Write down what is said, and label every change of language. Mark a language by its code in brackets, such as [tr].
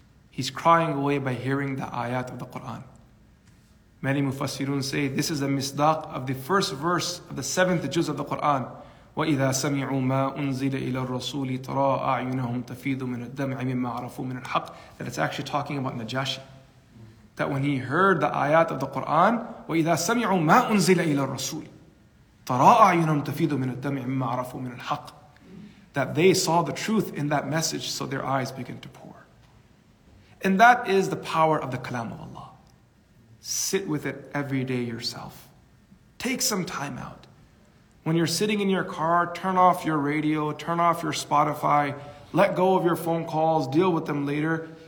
[en] He's crying away by hearing the ayat of the Quran. Many mufassirun say this is a misdaq of the first verse of the seventh juz of the Quran. [ar] وَإِذَا سَمِعُوا مَا أُنزِلَ إِلَى الرَّسُولِ تَرَىٰ أَعْيُنَهُمْ تَفِيضُ مِنَ الدَّمْعِ مِمَّا عَرَفُوا مِنَ الْحَقِّ. [en] That it's actually talking about Najashi. That when he heard the ayat of the Quran, [ar] وَإِذَا سَمِعُوا مَا أُنزِلَ إِلَى الرَّسُولِ تَرَىٰ أَعْيُنَهُمْ تَفِيضُ مِنَ الدَّمْعِ مِمَّا عَرَفُوا مِنَ الْحَقِّ. [en] That they saw the truth in that message, so their eyes began to pour. And that is the power of the kalam of Allah. Sit with it every day yourself. Take some time out. When you're sitting in your car, turn off your radio, turn off your Spotify, let go of your phone calls, deal with them later.